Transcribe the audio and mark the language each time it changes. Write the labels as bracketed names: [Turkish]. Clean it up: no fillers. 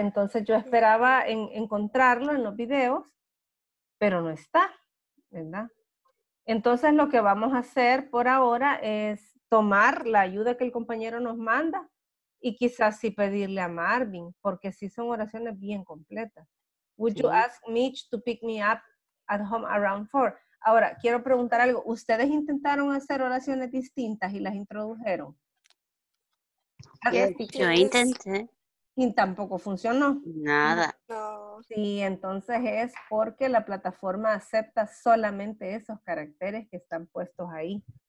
[Spanish] Entonces yo esperaba encontrarlo en los videos, pero no está, ¿verdad? Entonces lo que vamos a hacer por ahora es tomar la ayuda que el compañero nos manda y quizás sí pedirle a Marvin, porque sí son oraciones bien completas. [English] Would you ask Mitch to pick me up at home around 4? [Spanish] Ahora, quiero preguntar algo. ¿Ustedes intentaron hacer oraciones distintas y las introdujeron? Yo intenté. Y tampoco funcionó. Nada. Sí, entonces es porque la plataforma acepta solamente esos caracteres que están puestos ahí.